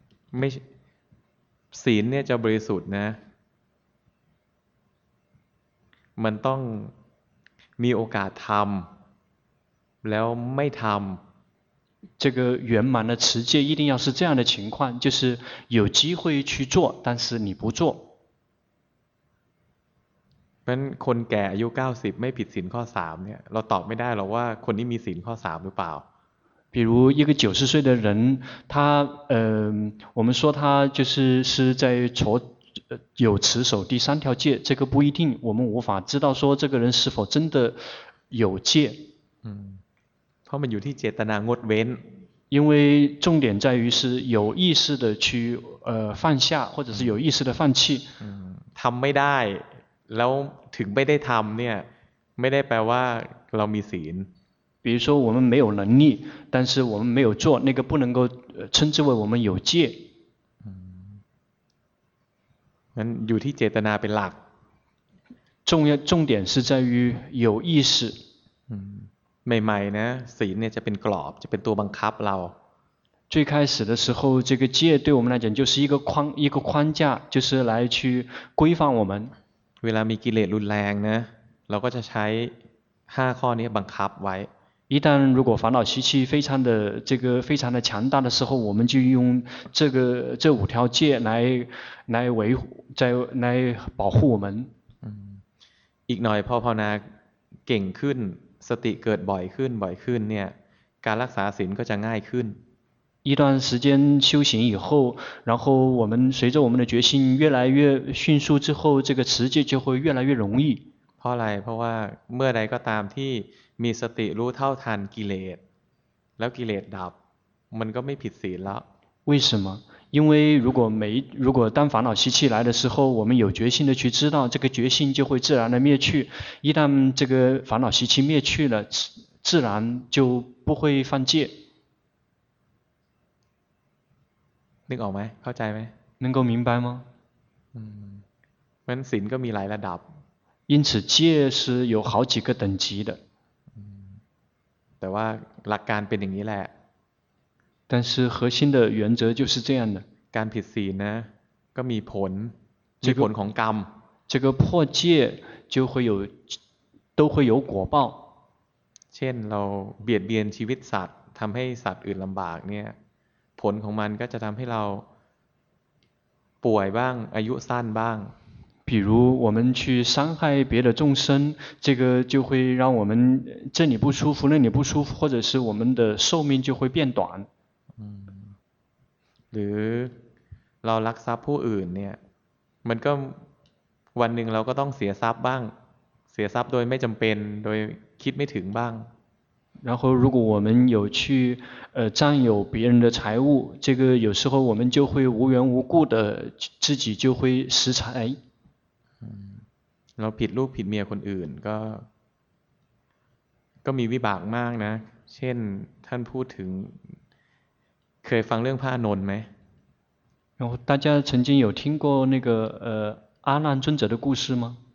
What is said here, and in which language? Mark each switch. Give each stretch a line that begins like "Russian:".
Thai: 没ศีลเนี่ยจะบริสุทธิ์นะมันต้องมีโอกาสทำแล้วไม่ทำ
Chinese: 这个圆满的持戒一定要是这样的情况就是有机会去做但是你不做
Thai: เป็นคนแก่อายุ90ไม่ผิดศีลข้อ3เนี่ยเราตอบไม่ได้หรอกว่าคนนี้มีศีลข้อ3หรือเปล่า
Chinese: 比如一个90岁的人他我们说他就是是在有持守第三条戒这个不一定我们无法知道说这个人是否真的有戒
Thai: เพราะมันอยู่ที่เจตนางดเว้น
Chinese: 因为重点在于是有意识的去放下或者是有意识的放弃
Thai: ทำไม่ได้แล้วถึงไม่ได้ทำเนี่ยไม่ได้แปลว่าเรามีศีล
Chinese: 比如说我们没有能力但是我们没有做那个不能够称之为我们有戒
Thai: มันอยู่ที่เจตนาเป็นหลัก
Chinese: 重点是在于有意识
Thai: ใหม่ๆนะศีลเนี่ยจะเป็นกรอบจะเป็นตัวบังคับเรา
Chinese: 最开始的时候这个戒对我们来讲就是一个框架就是来去规范我们
Thai: เวลามีกิเลสรุนแรงนะเราก็จะใช้5ข้อนี้บังคับไว้
Chinese: 一旦如果烦恼习气非常的这个非常的强大的时候，我们就用这个这五条戒来维护，在来保护我们。
Thai: อีกหน่อยพอภาวนาเก่งขึ้นสติเกิดบ่อยขึ้นบ่อยขึ้นเนี่ยการรักษาศีลก็จะง่ายขึ้น
Chinese: 一段时间修行以后，然后我们随着我们的决心越来越迅速之后，这个持戒就会越来越容易。
Thai: เพราะอะไรเพราะว่าเมื่อใดก็ตามที่มีสติรู้เท่าทันกิเลสแล้วกิเลสดับมันก็ไม่ผิดศีลแล้ว
Chinese: 为什么因为如果没如果当烦恼习气来的时候我们有决心的去知道这个决心就会自然的灭去一旦这个烦恼习气灭去了自然就不会犯戒
Thai: นึกออกไหมเข้าใจไหม
Chinese: 能够明白吗
Thai: 嗯เพราะศีลก็มีหลายระดับ
Chinese: 因此戒是有好几个等级的
Thai: แต่ว่าหลักการเป็นอย่างนี้แหละ
Chinese: 但是核心的原则就是这样的
Thai: การผิดศีลนะก็มีผลมีผลของกรรม
Chinese: 这个破戒就会有都会有果报
Thai: เช่นเราเบียดเบียนชีวิตสัตว์ทำให้สัตว์อื่นลำบากเนี่ยผลของมันก็จะทำให้เราป่วยบ้างอายุสั้นบ้าง
Chinese: 比如我们去伤害别的众生，这个就会让我们这里不舒服，那里不舒服，或者是我们的寿命就会变短。嗯，
Thai: หรือเรารักทรัพย์ผู้อื่นเนี่ยมันก็วันหนึ่งเราก็ต้องเสียทรัพย์บ้างเสียทรัพย์โดยไม่จำเป็นโดยคิดไม่ถึงบ้าง
Chinese: 然后如果我们有去占有别人的财物，这个有时候我们就会无缘无故的自己就会失财。
Thai: เราผิดลูกผิดเมียคนอื่นก็มีวิบากมากนะเช่นท่านพูดถึงเคยฟังเรื่องพระอานนท์ไหม
Chinese: 大家曾经有听过那个阿难尊者的故事吗